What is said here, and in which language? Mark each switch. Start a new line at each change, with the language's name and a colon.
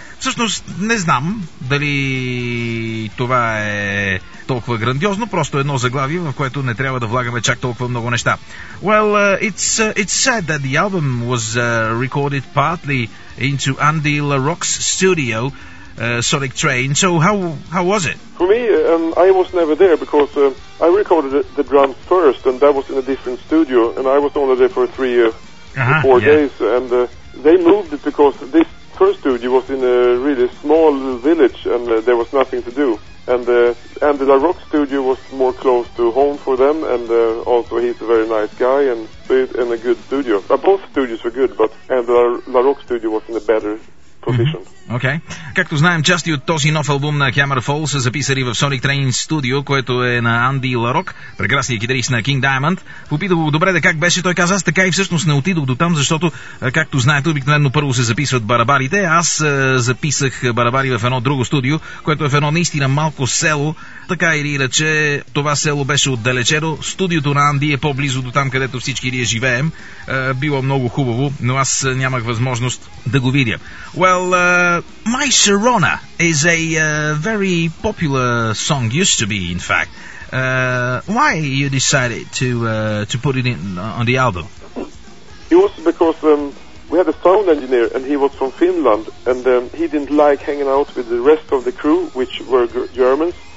Bulgarian: Всъщност не знам дали това е толкова грандиозно, просто едно заглавие, в което не трябва да влагаме чак толкова много неща.
English: Well, it's said that the album was recorded partly into Andy LaRock's studio, Sonic Train. So how was it? For me, I was never there because I recorded the drums first, and that was in a different studio, and I was only there for three or four days, and they moved it because this first studio was in a really small village, and there was nothing to do. And the LaRock studio was more close to home for them, and also he's a very nice guy and a good studio. Both studios were good, but and the LaRock studio was in a better position. Mm-hmm. Okay.
Bulgarian: Както знаем, части от този нов албум на Hammerfall са записали в Sonic Train Studio, което е на Анди Ларок, прекрасния китарист на King Diamond. Попитах го добре да как беше, той каза, аз така и всъщност не отидох до там, защото, както знаете, обикновено първо се записват барабарите. Аз записах барабари в едно друго студио, което е в едно наистина малко село. Така или иначе, това село беше отдалечено. Студиото на Анди е по-близо до там, където всички ние живеем. Било много хубаво, но аз нямах възможност да го видя.
English: Well, My Sharona is a very popular song, used to be, in fact. Why you decided to put it in on the album? It was because we had a sound engineer, and he was from Finland, and he didn't like hanging out with the rest of the crew, which were Germans.